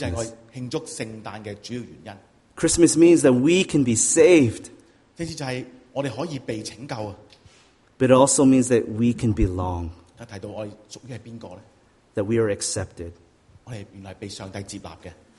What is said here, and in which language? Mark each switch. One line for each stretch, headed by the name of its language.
Chinese: 这是我庆祝圣诞的主要原因,
English: Christmas means that we can be saved.
Chinese: 这就是我们可以被拯救,
English: but it also means that we can belong.
Chinese: 提到我们属于是谁呢?
English: That we are accepted.
Chinese: 我们原来被上帝接纳的,